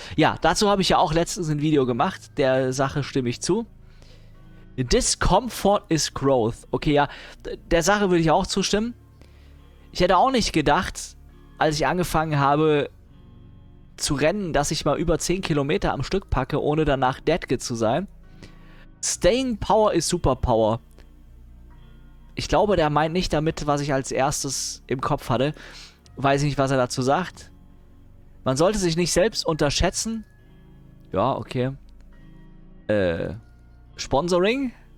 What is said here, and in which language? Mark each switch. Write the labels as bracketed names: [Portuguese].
[German] Ja, dazu habe ich ja auch letztens ein Video gemacht. Der Sache stimme ich zu. [English] Discomfort is growth. [German] Okay, ja, der Sache würde ich auch zustimmen. Ich hätte auch nicht gedacht, als ich angefangen habe zu rennen, dass ich mal über 10 Kilometer am Stück packe, ohne danach dead zu sein. [English] Staying power is superpower. [German] Ich glaube, der meint nicht damit, was ich als erstes im Kopf hatte. Weiß ich nicht, was er dazu sagt. Man sollte sich nicht selbst unterschätzen. Ja, okay. Sponsoring?